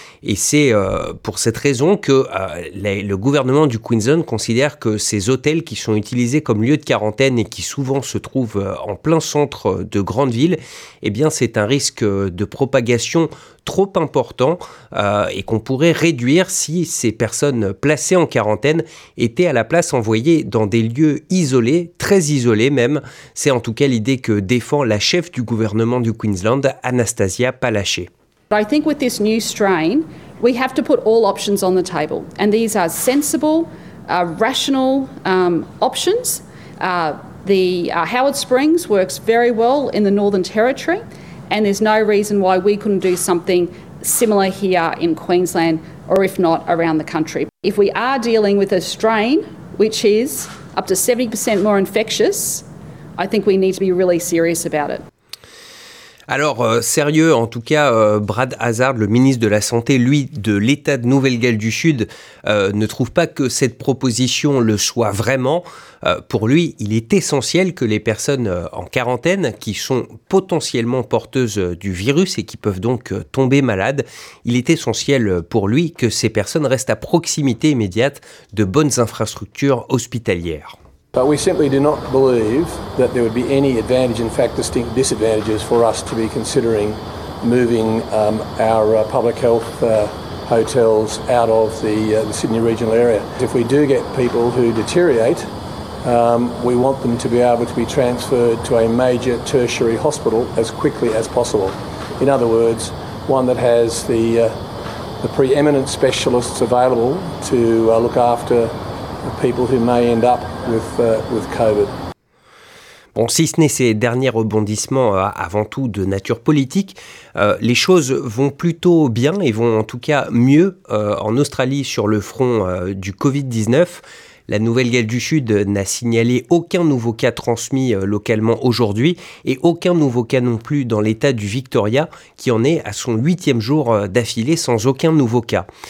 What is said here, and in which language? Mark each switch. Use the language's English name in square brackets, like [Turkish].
[French] Et c'est pour cette raison que le gouvernement du Queensland considère que ces hôtels qui sont utilisés comme lieu de quarantaine et qui souvent se trouvent en plein centre de grandes villes, eh bien c'est un risque de propagation trop important et qu'on pourrait réduire si ces personnes placées en quarantaine étaient à la place envoyées dans des lieux isolés, très isolés même. C'est en tout cas l'idée que défend la chef du gouvernement du Queensland, Anastasia Palaszczuk. [English] I think with this new strain, we have to put all options on the table. And these are sensible, rational options. The Howard Springs works very well in the Northern Territory, and there's no reason why we couldn't do something similar here in Queensland, or if not, around the country. If we are dealing with a strain which is up to 70% more infectious, I think we need to be really serious about it. [French] Alors, sérieux, en tout cas, Brad Hazard, le ministre de la Santé, lui, de l'État de Nouvelle-Galles du Sud, ne trouve pas que cette proposition le soit vraiment. Pour lui, il est essentiel que les personnes en quarantaine, qui sont potentiellement porteuses du virus et qui peuvent donc tomber malades, il est essentiel pour lui que ces personnes restent à proximité immédiate de bonnes infrastructures hospitalières. [English] But we simply do not believe that there would be any advantage, in fact, distinct disadvantages for us to be considering moving our public health hotels out of the Sydney regional area. If we do get people who deteriorate, we want them to be able to be transferred to a major tertiary hospital as quickly as possible. In other words, one that has the preeminent specialists available to look after people who may end up with COVID. [French] Bon, si ce n'est ces derniers rebondissements avant tout de nature politique, les choses vont plutôt bien et vont en tout cas mieux en Australie sur le front du Covid-19. La Nouvelle-Galles du Sud n'a signalé aucun nouveau cas transmis localement aujourd'hui et aucun nouveau cas non plus dans l'état du Victoria qui en est à son 8e jour d'affilée sans aucun nouveau cas.